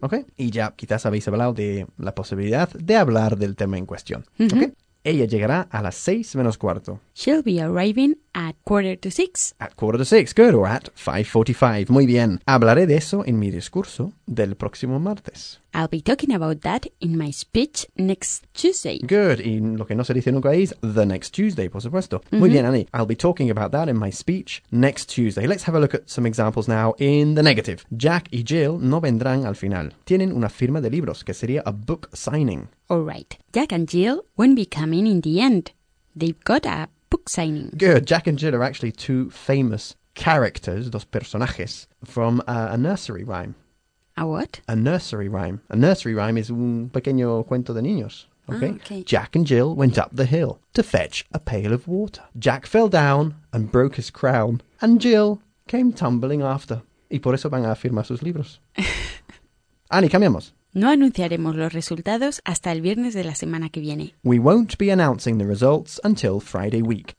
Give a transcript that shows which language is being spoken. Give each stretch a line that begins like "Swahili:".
Spanish: Okay. Y ya quizás habéis hablado de la posibilidad de hablar del tema en cuestión. Mm-hmm. Okay. Ella llegará a las 6:45.
English: She'll be arriving at 5:45. At 5:45, good, or at 5:45.
Spanish: Muy bien. Hablaré de eso en mi discurso del próximo martes.
English: I'll be talking about that in my speech next Tuesday.
Spanish: Good, y lo que no se dice nunca es
English: the next Tuesday,
Spanish: por supuesto. Mm-hmm. Muy bien, Annie.
English: I'll be talking about that in my speech next Tuesday. Let's have a look at some examples now in the negative.
Spanish: Jack y Jill no vendrán al final. Tienen una firma de libros, que sería
English: a book signing. All right. Jack and Jill won't be coming in the end. They've got a book signing. Good. Jack and Jill are actually two famous characters,
Spanish: dos personajes,
English: from a nursery rhyme. A what? A nursery rhyme. A nursery rhyme is
Spanish: un pequeño cuento de niños.
English: Okay? Ah, okay. Jack and Jill went up the hill to fetch a pail of water. Jack fell down and broke his crown, and Jill came tumbling after.
Spanish: Y por eso van a firmar sus libros. Annie, cambiamos. No anunciaremos los resultados hasta el viernes de la semana que viene.
English: We won't be announcing the results until Friday week.